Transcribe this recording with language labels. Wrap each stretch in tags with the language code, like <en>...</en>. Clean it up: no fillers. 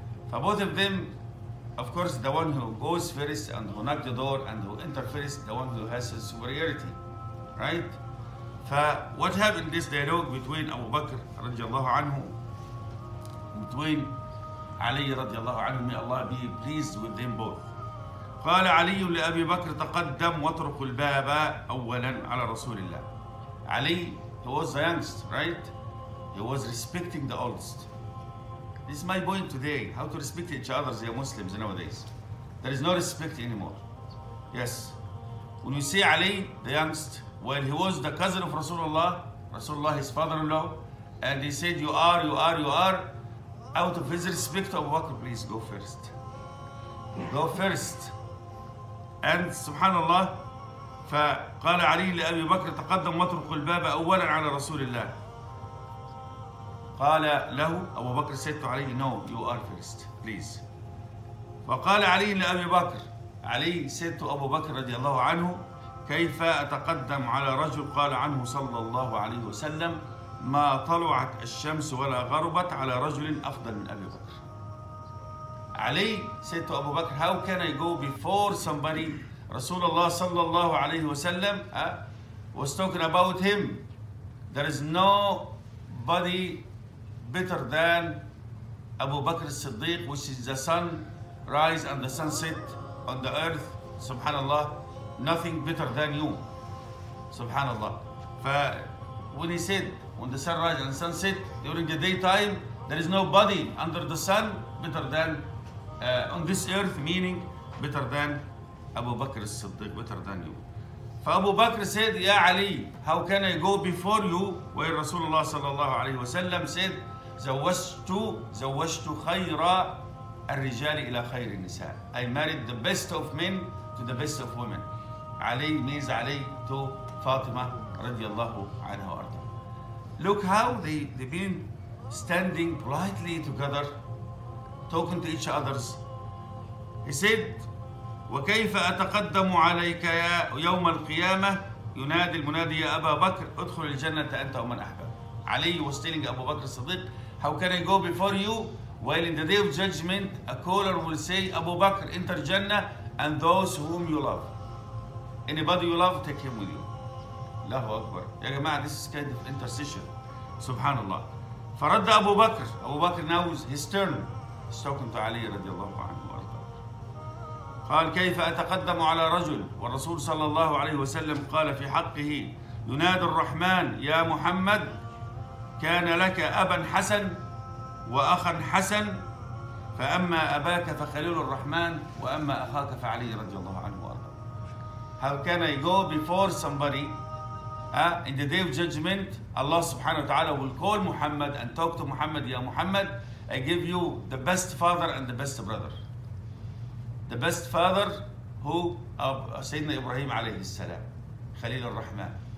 <en>For both of them, of course, the one who goes first and who knocks the door and who enters first, the one who has his superiority, right? For what happened this dialogue between Abu Bakr radiallahu anhu, between Ali radiallahu anhu, may Allah be pleased with them both.</en> <ar>قال علي لأبي بكر تقدم واترك الباب أولا على رسول الله.</ar> <en>علي, he was the youngest, right? He was respecting the oldest. This is my point today. How to respect each other as Muslims nowadays? There is no respect anymore. Yes. When you see Ali, the youngest, well, he was the cousin of Rasulullah, Rasulullah, his father-in-law, and he said, you are. Out of his respect, Abu Bakr, please go first. Go first. And subhanallah,</en> <ar>فقال علي لأبي بكر تقدم واترك الباب أولا على رسول الله. قال له أبو بكر</ar> <en>said to علي, no, you are first, please.</en> <ar>فقال علي لأبي بكر, علي</ar> <en>said to</en> <ar>أبو بكر رضي الله عنه, كيف أتقدم على رجل قال عنه صلى الله عليه وسلم, ما طلعت الشمس ولا غربت على رجل أفضل من أبي بكر.</ar> <en>Ali said to Abu Bakr, how can I go before somebody? Rasulullah sallallahu alayhi wa sallam was talking about him. There is nobody better than Abu Bakr al-Siddiq, which is the sun rise and the sunset on the earth. Subhanallah, nothing better than you. Subhanallah. When he said, when the sun rise and the sunset during the daytime, there is nobody under the sun better than on this earth, meaning better than Abu Bakr al-Siddiq, better than you. فأبو بكر said, يا علي, how can I go before you? Where Rasulullah sallallahu alayhi wa sallam said,</en> <ar>زوجت خير الرجال إلى خير النساء.</ar> <en>I married the best of men to the best of women. علي means علي to فاطمة</en> <ar>رضي الله عنها وأرضها.</ar> <en>Look how they've been standing politely together, talking to each others. He said,</en> <ar>وكيف أتقدم عليك يا يوم القيامة ينادي المنادي يا أبا بكر ادخل الجنة أنت ومن أحبب.</ar> <en>علي was telling Abu Bakr al-Siddiq, how can I go before you? Well, in the day of judgment, a caller will say, Abu Bakr, enter Jannah and those whom you love. Anybody you love, take him with you.</en> <ar>الله أكبر. يا جماعة,</ar> <en>this is kind of intercession. Subhanallah.</en> <ar>فرد أبو بكر.</ar> <en>Abu Bakr knows his turn. He's talking to Ali</en> <ar>رضي الله عنه وارضاه. قال كيف أتقدم على رجل والرسول صلى الله عليه وسلم قال في حقه ينادي الرحمن يا محمد كان لك أبا حسن وأخا حسن فأما أباك فخليل الرحمن وأما أخاك فعلي رضي الله عنه وأرضاه.</ar> <en>How can I go before somebody in the day of judgment? Allah</en> <ar>سبحانه وتعالى</ar> <en>will call Muhammad and talk to Muhammad.</en> <ar>يا محمد,</ar> <en>I give you the best father and the best brother. The best father who</en> <ar>سيدنا إبراهيم عليه السلام, خليل الرحمن.</ar>